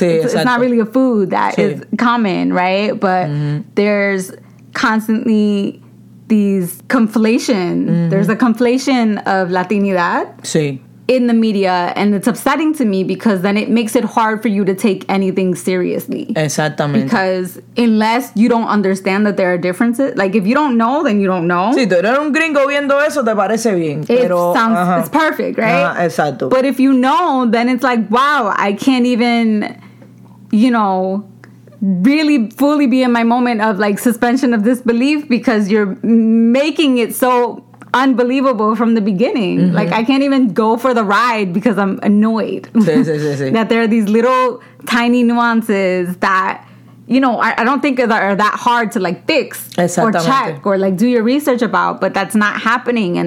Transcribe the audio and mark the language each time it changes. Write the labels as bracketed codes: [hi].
[en] It's not really a food that is common, right? But there's constantly these conflation. There's a conflation of Latinidad in the media, and it's upsetting to me because then it makes it hard for you to take anything seriously. Because unless you don't understand that there are differences, like, if you don't know, then you don't know. [es] Si tú eres un gringo viendo eso, te parece bien. [en] It's perfect, right? But if you know, then it's like, wow, I can't even, you know, really fully be in my moment of, like, suspension of disbelief because you're making it so unbelievable from the beginning. Like, I can't even go for the ride because I'm annoyed that there are these little tiny nuances that, you know, I don't think are that hard to, like, fix or check or, like, do your research about, but that's not happening.